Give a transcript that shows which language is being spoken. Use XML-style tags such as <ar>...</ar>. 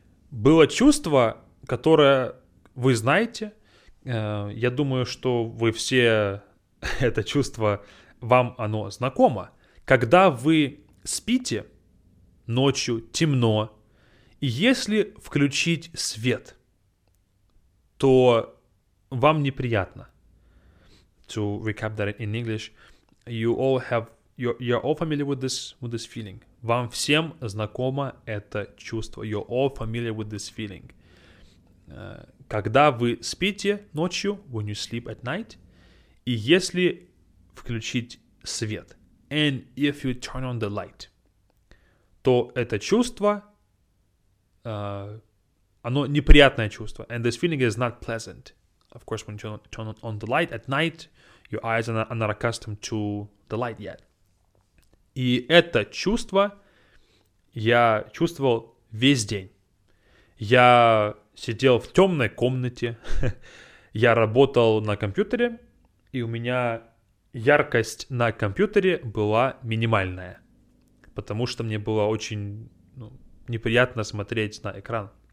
<ru>Было чувство, которое вы знаете. Я думаю, что вы все это чувство, вам оно знакомо. Когда вы спите ночью, темно, и если включить свет, то вам неприятно.</ru> <en>To recap that in English, you all have, you're all familiar with this feeling.</en> <ru>Вам всем знакомо это чувство.</ru> <en>You're all familiar with this feeling.</en> <ru>Когда вы спите ночью,</ru> <en>when you sleep at night,</en> <ru>и если включить свет,</ru> <en>and if you turn on the light,</en> <ru>то это чувство, оно неприятное чувство.</ru> <en>And this feeling is not pleasant. Of course, when you turn on the light at night, your eyes are not accustomed to the light yet.</en> <ru>И это чувство я чувствовал весь день. Я сидел в темной комнате, я работал на компьютере, и у меня яркость на компьютере была минимальная, потому что мне было очень, ну, неприятно смотреть на экран.</ru>